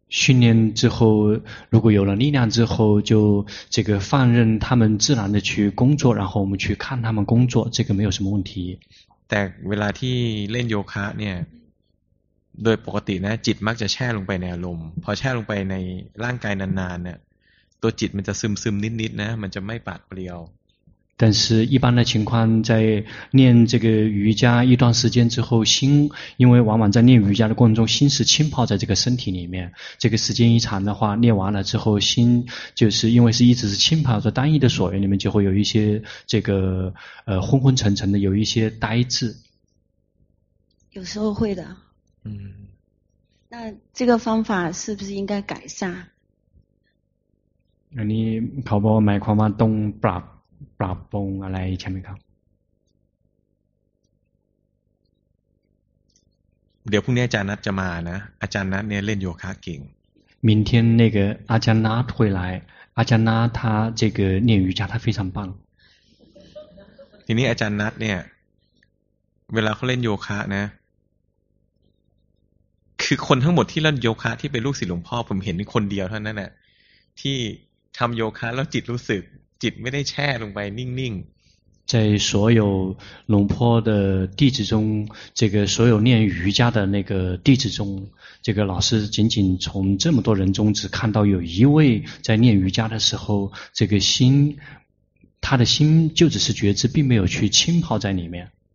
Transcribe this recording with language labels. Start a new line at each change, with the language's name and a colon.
Chinese: 训练之后，如果有了力量之后，就这个放任他们自然的去工作，然后我们去看他们工作，这个没有什么问题。
Thai: 但，เวลาที่เล่นโยคะเนี่ยโดยปกตินะจิตมักจะแช่ลงไปในอารมณ์พอแช่ลงไปในร่างกายนานๆเนี่ยตัวจิตมันจะซึมนิดๆนะมันจะไม่ปาดเปรียว
Chinese: 但是一般的情况在念这个瑜伽一段时间之后心因为往往在念瑜伽的过程中心是浸泡在这个身体里面这个时间一长的话念完了之后心就是因为是一直是浸泡在单一的所缘里面就会有一些这个昏昏沉沉的有一些呆滞有时候会的嗯，那这个方法是不是应该改善？
Thai: อันนี้เขาบอกหมายความว่าต้องปรับปรุงอะไรใช่ไหมครับ เดี๋ยวพรุ่งนี้อาจารย์นัทจะมานะอาจารย์นัทเนี่ยเล่นโยคะเก่ง
Chinese: 明天那个阿江拉会来阿江拉他这个练瑜伽他非常棒
Thai: ทีนี้อาจารย์นัทเนี่ยเวลาเขาเล่นโยคะนะคือคนทั้งหมดที่เล่นโยคะที่เป็นลูกศิษย์หลวงพ่อผมเห็นคนเดียวเท่านั้นแหละที่ทำโยคะแล้วจิตรู้สึกจิตไม่ได้แช่ลงไปนิ่ง ๆใน
Chinese: 所有龙坡的弟子中这个所有练瑜伽的那个弟子中这个老师仅仅从这么多人中只看到有一位在练瑜伽的时候这个心他的心就只是觉知并没有去浸泡在里面